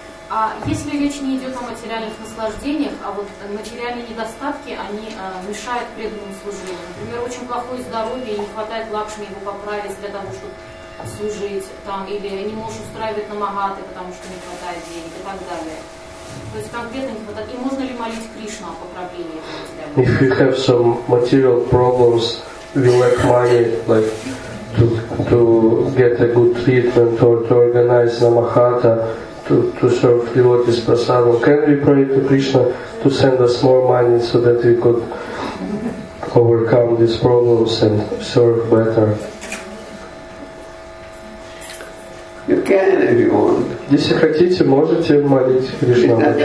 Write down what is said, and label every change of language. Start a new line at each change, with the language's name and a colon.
Russian: А если речь не идет о материальных наслаждениях, а вот материальные недостатки, они мешают преданному служению. Например, очень плохое здоровье, и не хватает лакшми его поправить для того, чтобы служить там, или не можешь устраивать намагаты, потому что не хватает денег и так далее. То есть конкретно не хватает. И можно ли молить Кришну о поправлении этого материального?
English: If you have some material problems, you lack money, like to get a good treatment or to organize namahata, to serve devotees prasadam, can we pray to Krishna to send us more money so that we could overcome these problems and serve better? You can if you want.
Russian: Если хотите, можете молить Кришну.